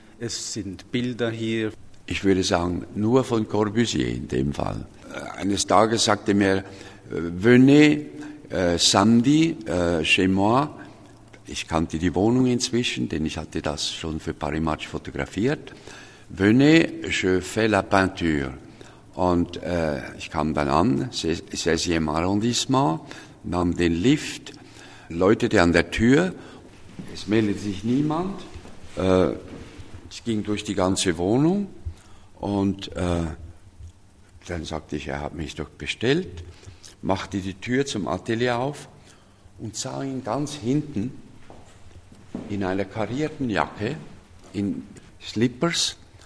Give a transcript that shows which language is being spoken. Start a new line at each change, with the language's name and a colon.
German: Es sind Bilder hier. Ich würde sagen, nur von Corbusier in dem Fall. Eines Tages sagte mir,
French: venez samedi chez moi.
German: Ich kannte die Wohnung inzwischen, denn ich hatte das schon für Paris Match fotografiert.
French: Venez, je fais la peinture.
German: Und ich kam dann an, 16. Arrondissement, nahm den Lift, läutete an der Tür. Es meldete sich niemand. Ich ging durch die ganze Wohnung und Dann sagte ich, er hat mich doch bestellt, machte die Tür zum Atelier auf und sah ihn ganz hinten in einer karierten Jacke, in Slippers.